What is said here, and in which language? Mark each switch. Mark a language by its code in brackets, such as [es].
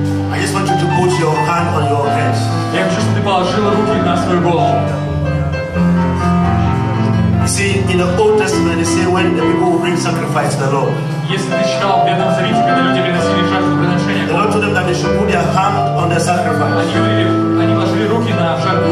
[en] I just want you to put your hand on your head. [ru] Я хочу, чтобы ты положил руки на свою голову. [en] See, in the Old Testament, it says when the people bring sacrifice to the Lord. [ru] Если ты читал в Ветхом Завете, когда люди приносили жертвоприношение, [en] the Lord told them that they should put their hand on their sacrifice. [ru] Они положили руки на жертву.